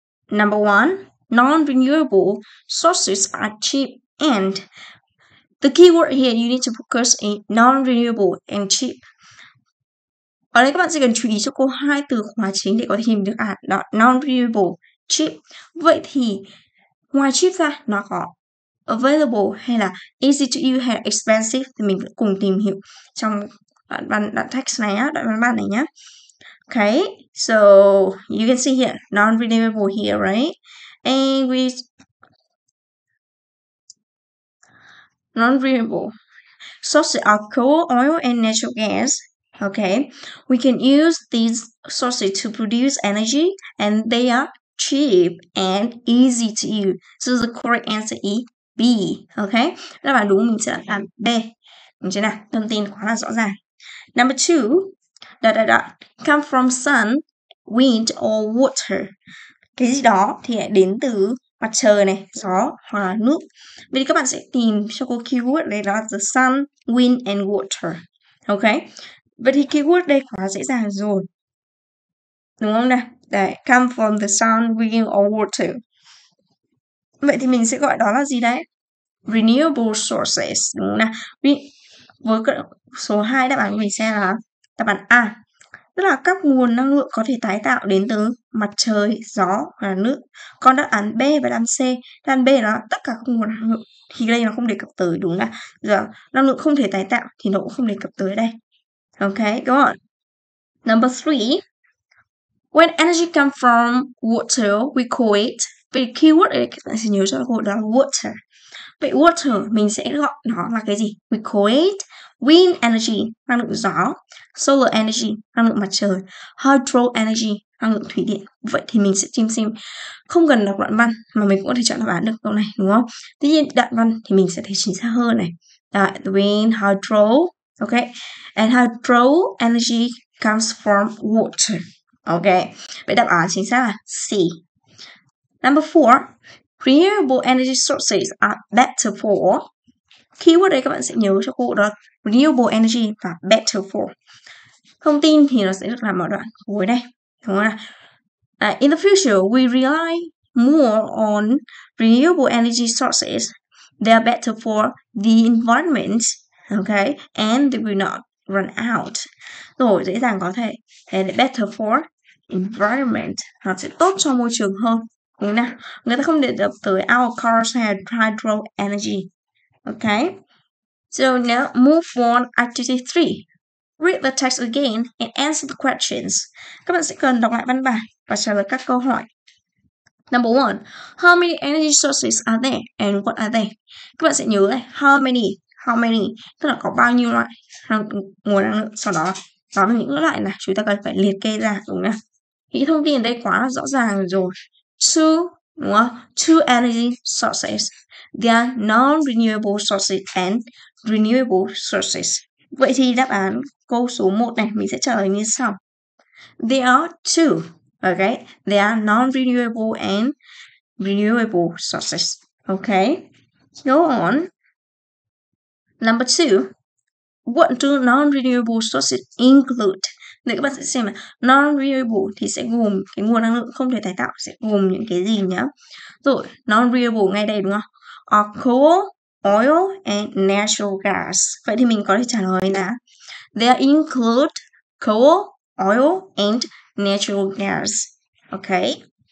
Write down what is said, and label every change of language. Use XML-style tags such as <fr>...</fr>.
<en>Number 1, non-renewable sources are cheap and the keyword here you need to focus in non-renewable and cheap.</en> <vi>Ở đây các bạn sẽ cần chú ý cho cô hai từ khóa chính để có thể hình được à, đó, non-renewable, cheap. Vậy thì ngoài cheap ra nó có available hay là easy to use hay là expensive thì mình cùng tìm hiểu trong đoạn text này á, đoạn văn bản này nhá.</vi> <en>Okay, so you can see here non-renewable here, right? And we non-renewable sources are coal, oil, and natural gas. Okay, we can use these sources to produce energy, and they are cheap and easy to use. So the correct answer is B.</en> <vi>Okay, đáp án đúng mình sẽ làm B. Đúng chưa nào? Thông tin quá là rõ ràng.</vi> <en>Number two, come from sun, wind, or water.</en> <vi>Cái gì đó thì đến từ mặt trời này, gió hoặc là nước. Vậy thì các bạn sẽ tìm cho cô keyword đây là</vi> <en>the sun, wind and water.</en> <vi>Okay. Vậy thì keyword đây quá dễ dàng rồi. Đúng không nè?</vi> <en>Đấy, come from the sun, wind or water.</en> <vi>Vậy thì mình sẽ gọi đó là gì đấy? Renewable sources. Đúng không nè? Với số 2 đáp án của mình sẽ là đáp án A. Tức là các nguồn năng lượng có thể tái tạo đến từ mặt trời, gió và nước. Còn đáp án B và đáp án C, đáp án B là tất cả các nguồn năng lượng thì đây nó không đề cập tới, đúng không? Giờ năng lượng không thể tái tạo thì nó cũng không đề cập tới đây.</vi> <en>Ok, go on. Number 3. When energy comes from water, we call it.</en> <vi>Vậy keyword ấy, các bạn sẽ nhớ cho cô đó là water. Vậy water, mình sẽ gọi nó là cái gì?</vi> <en>We call it wind energy,</en> <vi>năng lượng gió.</vi> <en>Solar energy,</en> <vi>năng lượng mặt trời. Hydro energy, năng lượng thủy điện. Vậy thì mình sẽ tìm xem, không cần đọc đoạn văn mà mình cũng có thể chọn đáp án được câu này, đúng không? Tuy nhiên, đoạn văn thì mình sẽ thấy chính xác hơn này.</vi> <en>Đó, wind, hydro, ok? And hydro energy comes from water, ok?</en> <vi>Vậy đáp án chính xác là C.</vi> <en>Number 4, renewable energy sources are better for.</en> <vi>Keyword đấy các bạn sẽ nhớ cho cô đó, renewable energy và better for. Thông tin thì nó sẽ được làm ở đoạn cuối đây, đúng không nào?</vi> <en>In the future, we rely more on renewable energy sources. They are better for the environment, okay? And they will not run out.</en> <vi>Rồi, dễ dàng có thể.</vi> <en>Thế là better for environment.</en> <vi>Nó sẽ tốt cho môi trường hơn. Đúng nào? Người ta không để được tới</vi> <en>our cars have hydro energy. Okay? So now move on activity 3. Read the text again and answer the questions.</en> <vi>Các bạn sẽ cần đọc lại văn bản và trả lời các câu hỏi.</vi> <en>Number 1, how many energy sources are there and what are they?</en> <vi>Các bạn sẽ nhớ này,</vi> <en>how many? How many?</en> <vi>Tức là có bao nhiêu loại nguồn năng lượng. Sau đó nói về những loại này, chúng ta cần phải liệt kê ra, đúng không? Những thông tin ở đây quá là rõ ràng rồi.</vi> <en>Two,</en> <vi>đúng không?</vi> <en>Two energy sources. They are non-renewable sources and renewable sources.</en> <vi>Vậy thì đáp án câu số 1 này mình sẽ trả lời như sau.</vi> <en>There are two. Okay. They are non-renewable and renewable sources. Okay. Go on. Number two, what do non-renewable sources include?</en> <vi>Để các bạn sẽ xem non-renewable thì sẽ gồm cái nguồn năng lượng không thể tái tạo, sẽ gồm những cái gì nhá?</vi> <en>Rồi, non-renewable</en> <vi>ngay đây đúng không?</vi> <en>Are coal, oil and natural gas.</en> <vi>Vậy thì mình có thể trả lời là</vi> <en>they include coal, oil and natural gas.</en> <vi>Okay.</vi>